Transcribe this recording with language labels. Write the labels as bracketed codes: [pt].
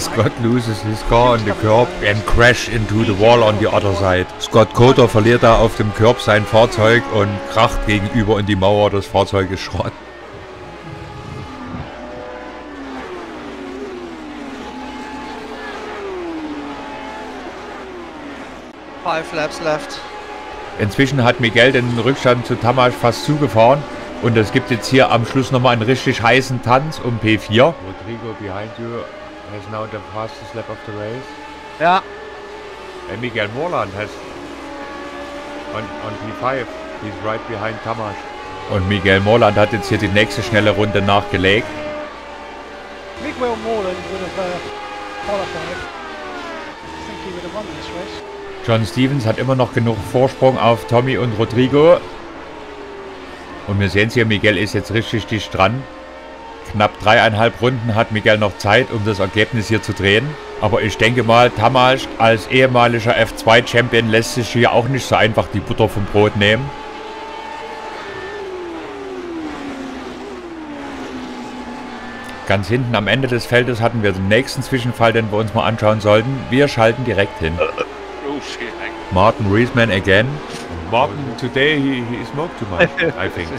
[en] Scott loses his car on the curb and crash into the wall on the other side. [de] Scott Coter verliert da auf dem Curb sein Fahrzeug und kracht gegenüber in die Mauer. Das Fahrzeug ist Schrott. [en] Five laps left. [de] Inzwischen hat Miguel den Rückstand zu Tamás fast zugefahren. Und es gibt jetzt hier am Schluss nochmal einen richtig heißen Tanz um P4. [en] Rodrigo behind you has now the fastest lap of the race. Ja. And Miguel Morland has on P5. He's right behind Tamás. [de] Und Miguel Morland hat jetzt hier die nächste schnelle Runde nachgelegt. [en] Miguel Morland would have qualified. I think he would have won this race. [de] John Stevens hat immer noch genug Vorsprung auf Tommy und Rodrigo. Und wir sehen es hier, Miguel ist jetzt richtig dicht dran. Knapp 3,5 Runden hat Miguel noch Zeit, um das Ergebnis hier zu drehen. Aber ich denke mal, Tamás als ehemaliger F2-Champion lässt sich hier auch nicht so einfach die Butter vom Brot nehmen. Ganz hinten am Ende des Feldes hatten wir den nächsten Zwischenfall, den wir uns mal anschauen sollten. Wir schalten direkt hin. Martin Riesman again. [en] Martin, today he smoked too much, I think.